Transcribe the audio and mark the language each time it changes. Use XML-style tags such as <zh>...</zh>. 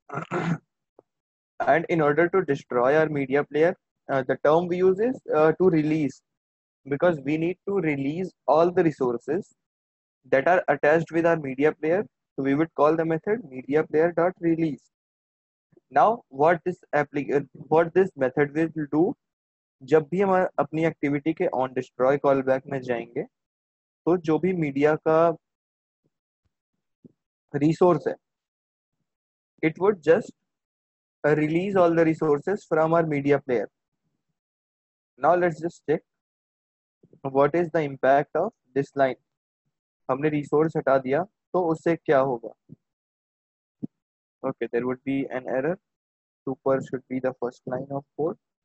<en>And in order to destroy our media player, the term we use is to release, because we need to release all the resources that are attached with our media player. So we would call the method media player dot release. Now, what this method will do,</en> <hi>जब भी हम अपनी activity के on destroy call back में जाएंगे, तो जो भी मीडिया का रिसोर्स है,</hi> <en>it would just release all the resources from our media player. Now let's just check what is the impact of this line.</en> <hi>हमने रिसोर्स हटा दिया तो उससे क्या होगा.</hi> <en>Okay, there would be an error. Super should be the first line of code.</en>